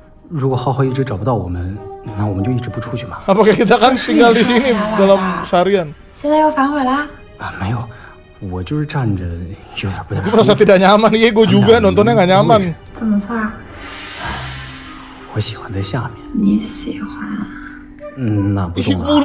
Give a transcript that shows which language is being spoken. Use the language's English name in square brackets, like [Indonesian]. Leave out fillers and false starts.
[Chinese] 如果浩浩一直找不到我们，那我们就一直不出去嘛。 [Indonesian] Apakah kita akan tinggal di sini dalam seharian? [Chinese] 现在又反悔了？啊，没有，我就是站着有点不太。 [Indonesian] Gue merasa tidak nyaman, iya gue juga nontonnya nggak nyaman. [Chinese] 怎么错啊？我喜欢在下面。你喜欢？嗯，那不懂了。